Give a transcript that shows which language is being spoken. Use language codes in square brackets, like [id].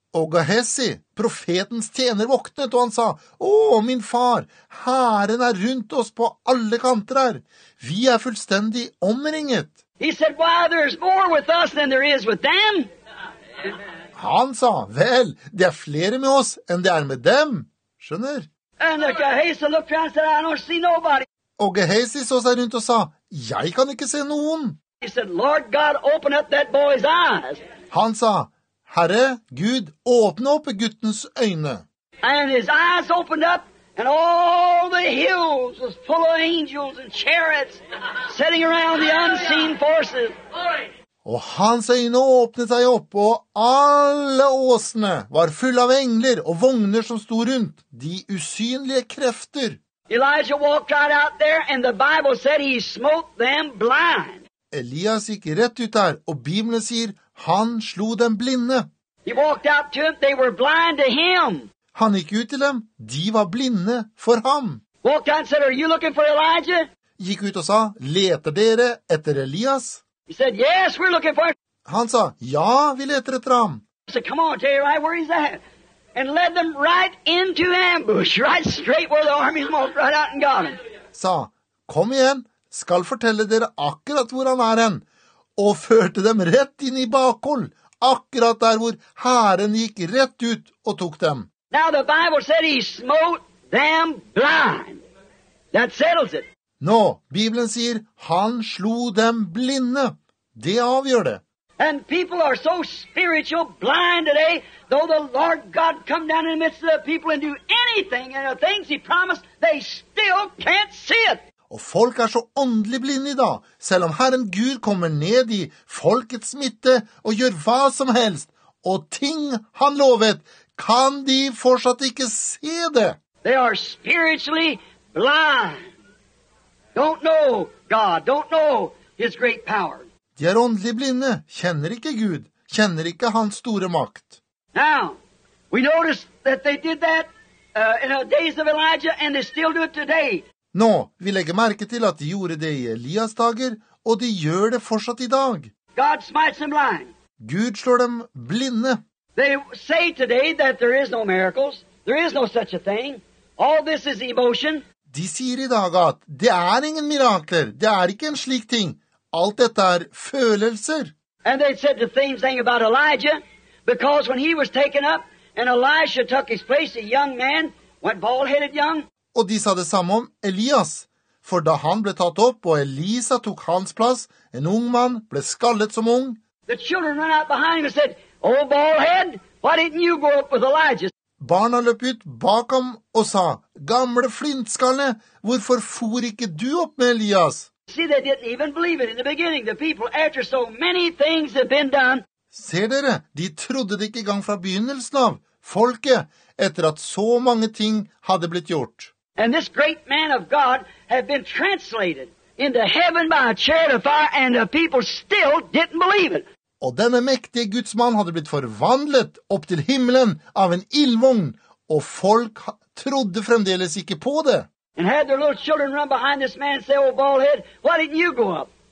[no] Og Gehazi, profetens tjener, våknet, og han sa, min far, hæren rundt oss på alle kanter her. Vi fullstendig omringet. [en] He said, why, there's more with us than there is with them. [no] Han sa, vel, det flere med oss enn det med dem. Skjønner? [en] And the Gehazi looked around and said, I don't see nobody. [no] Og Gehazi så seg rundt og sa, jeg kan ikke se noen. [en] He said, Lord God, open up that boy's eyes. [no] Han sa, Herre, Gud, åpne opp guttens øyne. [en] And his eyes opened up, and all the hills was full of angels and chariots sitting around the unseen forces. [no] Og hans øyne åpnet seg opp, og alle åsene var fulle av engler og vogner som sto rundt, de usynlige krefter. [en] Elijah walked right out there, and the Bible said he smote them blind. [no] Elias gikk rett ut der, og Bibelen sier, han slo dem blinde. [en] He walked out to them, they were blind to him. [no] Han gikk ut til dem, de var blinde for ham. [en] Walked out and said, are you looking for Elijah? [no] Gikk ut og sa, leter dere etter Elias? [en] He said, yes, we're looking for him. [no] Han sa, ja, vi leter etter ham. [en] He said, come on, tell you right where he's at. And led them right into ambush, right straight where the army walked right out and got him. [no] Sa, kom igjen, skal fortelle dere akkurat hvor han hen. Og førte dem rett inn i bakhold, akkurat der hvor hæren gikk rett ut og tok dem. [en] Now the Bible said he smote them blind. That settles it. [no] Nå, Bibelen sier han slo dem blinde. Det avgjør det. [en] And people are so spiritual blind today, though the Lord God come down in the midst of the people and do anything and the things he promised, they still can't see it. [no] Og folk er så åndelig blinde i dag, selv om Herren Gud kommer ned i folkets midte og gjør hva som helst, og ting han lovet, kan de fortsatt ikke se det. [en] They are spiritually blind. Don't know God, don't know his great power. [no] De er åndelig blinde, kjenner ikke Gud, kjenner ikke hans store makt. [en] Now, we notice that they did that in the days of Elijah, and they still do it today. [no] Nå, vi legger merke til at de gjorde det i Elias dager, og de gjør det fortsatt i dag. [en] God smites them blind. [no] Gud slår dem blinde. [en] They say today that there is no miracles, there is no such a thing. All this is emotion. [no] De sier i dag at det er ingen mirakler, det er ikke en slik ting. Alt dette er følelser. [en] And they said the same thing about Elijah, because when he was taken up, and Elisha took his place, a young man, went bald-headed young. [no] Og de sa det samme om Elias, for da han ble tatt opp, og Elisa tok hans plass, en ung mann ble skallet som ung. [en] The children ran out behind him and said, oh, bald-head, why didn't you go up with Elijah? [no] Barna løp ut bak ham og sa, gamle flintskalle, hvorfor for ikke du opp med Elias? [en] See, they didn't even believe it in the beginning. The people, after so many things have been done. [no] Ser dere, de trodde det ikke i gang fra begynnelsen av. Folket, etter at så mange ting hadde blitt gjort. [en] And this great man of God had been translated into heaven by a chariot of fire, and the people still didn't believe it. [no] Og denne mektige Guds mann hadde blitt forvandlet opp til himmelen av en ildvogn, og folk trodde fremdeles ikke på det. [en] And had their little children run behind this man and say, oh, baldhead, why didn't you go up?